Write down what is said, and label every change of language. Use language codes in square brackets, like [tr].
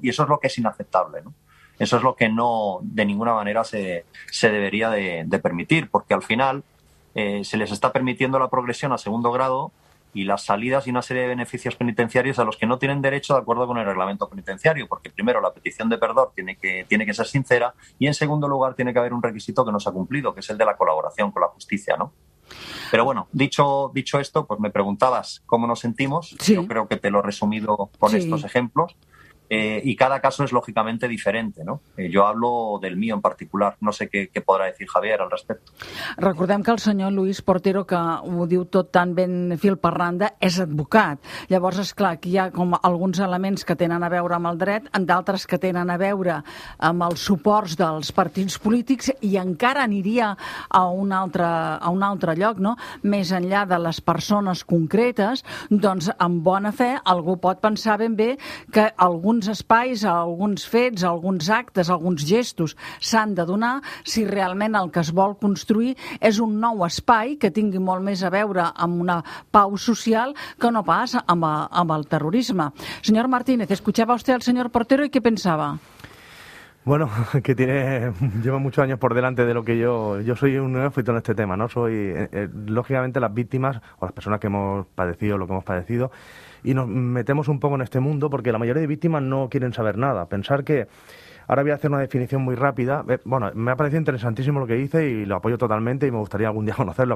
[es] Y eso es lo que es inaceptable, ¿no? Eso es lo que no de ninguna manera se debería de permitir, porque al final se les está permitiendo la progresión a segundo grado y las salidas y una serie de beneficios penitenciarios a los que no tienen derecho de acuerdo con el reglamento penitenciario, porque primero la petición de perdón tiene que ser sincera y en segundo lugar tiene que haber un requisito que no se ha cumplido, que es el de la colaboración con la justicia, ¿no? Pero bueno, dicho esto, pues me preguntabas cómo nos sentimos, sí. Yo creo que te lo he resumido con sí. Estos ejemplos. Y cada caso es lógicamente diferente, ¿no? Yo hablo del mío en particular, no sé qué [ca] podrà dir Javier al respecte. Recordem que el senyor Luis Portero, que ho diu tot tan ben fil per randa, és advocat. Llavors, és clar que hi ha com alguns elements que tenen a veure amb el dret, d'altres que tenen a veure amb els suports dels partits polítics, i encara aniria a un altre lloc, no? Més enllà de les persones concretes, doncs, amb bona fe, algú pot pensar ben bé que alguns espais, alguns fets, alguns actes, alguns gestos s'han de donar si realment el que es vol construir és un nou espai que tingui molt més a veure amb una pau social que no pas amb el terrorisme. Senyor Martínez, escuchava vostè el senyor Portero i què pensava? [es] Bueno, que lleva muchos años por delante de lo que yo soy un neófito en este tema, ¿no? Soy, lógicamente, las víctimas o las personas que hemos padecido lo que hemos padecido y nos metemos un poco en este mundo porque la mayoría de víctimas no quieren saber nada. Pensar que, ahora voy a hacer una definición muy rápida, bueno, me ha parecido interesantísimo lo que dice y lo apoyo totalmente y me gustaría algún día conocerlo.